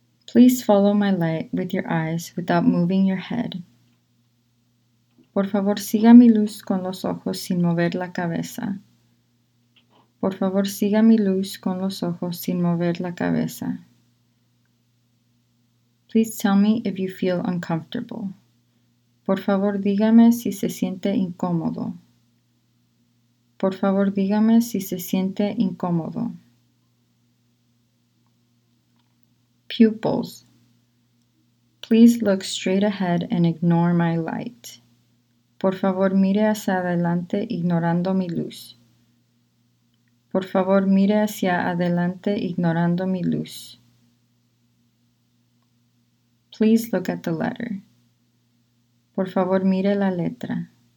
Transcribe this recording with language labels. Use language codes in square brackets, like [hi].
[en] Please follow my light with your eyes without moving your head. [es] Por favor, siga mi luz con los ojos sin mover la cabeza. Por favor, siga mi luz con los ojos sin mover la cabeza. [en] Please tell me if you feel uncomfortable. Por favor, dígame si se siente incómodo. [es] Por favor, dígame si se siente incómodo. [en] Pupils. Please look straight ahead and ignore my light. [es] Por favor, mire hacia adelante ignorando mi luz. Por favor, mire hacia adelante ignorando mi luz. [en] Please look at the letter. Por favor, mire la letra.